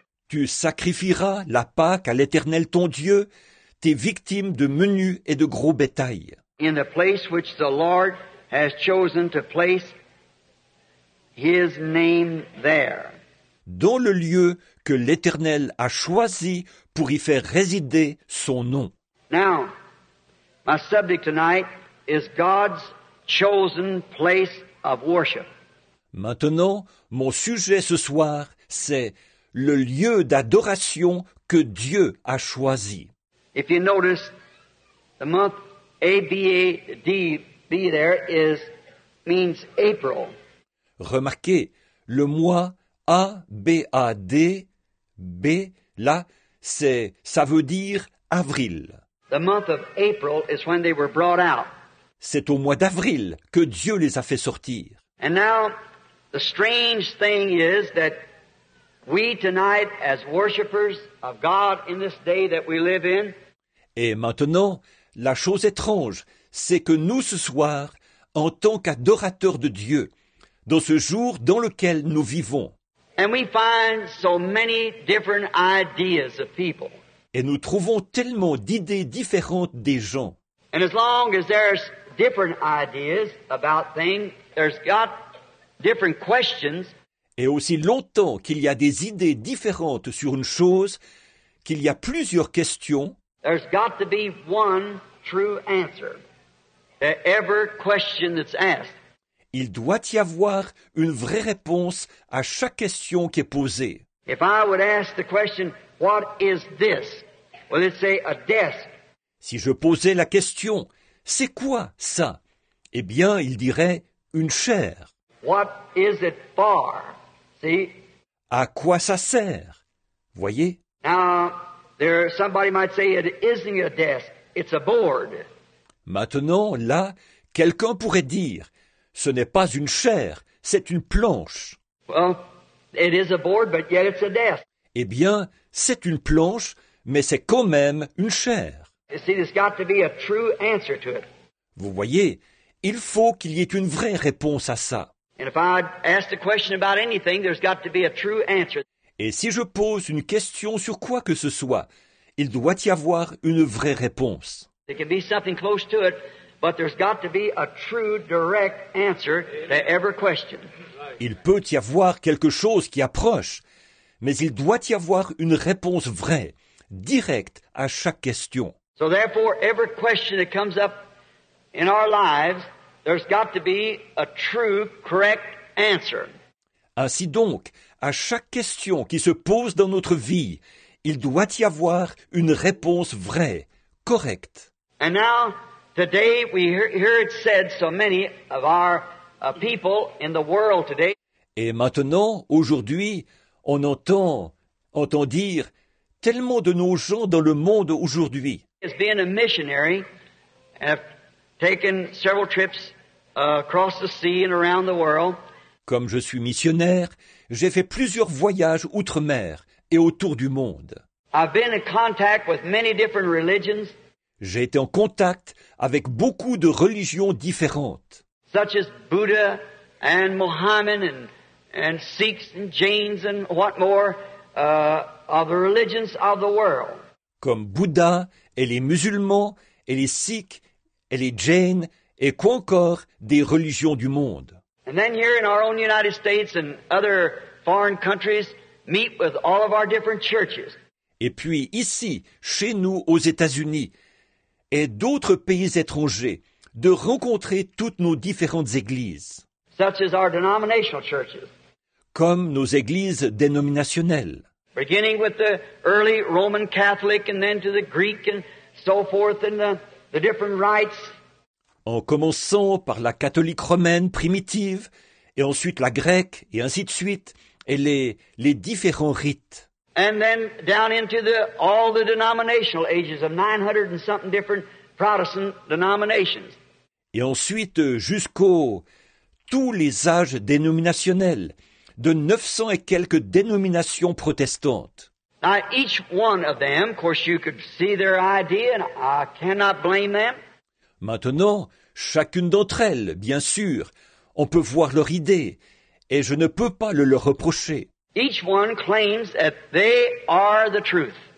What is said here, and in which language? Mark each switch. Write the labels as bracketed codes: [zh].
[fr] Tu sacrifieras la Pâque à l'Éternel ton Dieu, tes victimes de menu et de gros bétail. [en] In the place which the Lord has chosen to place his name there. [fr] Dans le lieu que l'Éternel a choisi pour y faire résider son nom. [en] Now, my subject tonight is God's chosen place of worship. [fr] Maintenant, mon sujet ce soir, c'est le lieu d'adoration que Dieu a choisi. [en] If you notice, the month A-B-A-D-B there means April. [fr] Remarquez, le mois A-B-A-D-B, là, ça veut dire avril. [en] The month of April is when they were brought out. [fr] C'est au mois d'avril que Dieu les a fait sortir. [en] And now, the strange thing is that we tonight, as worshipers of God in this day that we live in, [fr] et maintenant, la chose étrange, c'est que nous ce soir, en tant qu'adorateurs de Dieu, dans ce jour dans lequel nous vivons, [en] and we find so many different ideas of people. [fr] Et nous trouvons tellement d'idées différentes des gens. [en] And as long as there's different ideas about things, there's got different questions. [fr] Et aussi longtemps qu'il y a des idées différentes sur une chose, qu'il y a plusieurs questions, [en] there's got to be one true answer to every question that's asked. [fr] Il doit y avoir une vraie réponse à chaque question qui est posée. [en] If I would ask the question, what is this? Well, it'd say a desk. [fr] Si je posais la question, c'est quoi ça? Eh bien, il dirait une chaire. [en] What is it for? See? [fr] À quoi ça sert? Voyez? [en] Now, somebody might say it isn't a desk, it's a board. [fr] Maintenant, là, quelqu'un pourrait dire, ce n'est pas une chaire, c'est une planche. [en] Well, it is a board, but yet it's a desk. [fr] Eh bien, c'est une planche, mais c'est quand même une chaire. [en] You see, there's got to be a true answer to it. [fr] Vous voyez, il faut qu'il y ait une vraie réponse à ça. [en] And if I ask a question about anything, there's got to be a true answer. [fr] Et si je pose une question sur quoi que ce soit, il doit y avoir une vraie réponse. [en] There can be something close to it, but there's got to be a true, direct answer to every question. [fr] Il peut y avoir quelque chose qui approche, mais il doit y avoir une réponse vraie, directe à chaque question. [en] So therefore, every question that comes up in our lives, there's got to be a true, correct answer. [fr] Ainsi donc, à chaque question qui se pose dans notre vie, il doit y avoir une réponse vraie, correcte. [en] And now, today, we hear it said so many of our people in the world today. [fr] Et maintenant, aujourd'hui, on entend dire tellement de nos gens dans le monde aujourd'hui. [en] As being a missionary, I've taken several trips across the sea and around the world. [fr] Comme je suis missionnaire, j'ai fait plusieurs voyages outre-mer et autour du monde. [en] I've been in contact with many different religions. [fr] J'ai été en contact avec beaucoup de religions différentes. [en] Such as Buddha and Mohammed and Sikhs and Jains and what more of the religions of the world. [fr] Comme Bouddha et les musulmans et les Sikhs et les Jains et quoi encore des religions du monde. [en] And then here in our own United States and other foreign countries, meet with all of our different churches. [fr] Et puis ici, chez nous aux États-Unis, et d'autres pays étrangers, de rencontrer toutes nos différentes églises. [en] Such as our denominational churches. [fr] Comme nos églises dénominationnelles. [en] Beginning with the early Roman Catholic and then to the Greek and so forth and the different rites. [fr] En commençant par la catholique romaine primitive, et ensuite la grecque, et ainsi de suite, et les différents rites. [en] And then down into all the denominational ages of 900 and something different Protestant denominations. [fr] Et ensuite jusqu'aux tous les âges dénominationnels, de 900 et quelques dénominations protestantes. [en] Now each one of them, of course you could see their idea, and I cannot blame them. [fr] Maintenant, chacune d'entre elles, bien sûr, on peut voir leur idée, et je ne peux pas le leur reprocher. [en] Each one claims that they are the truth.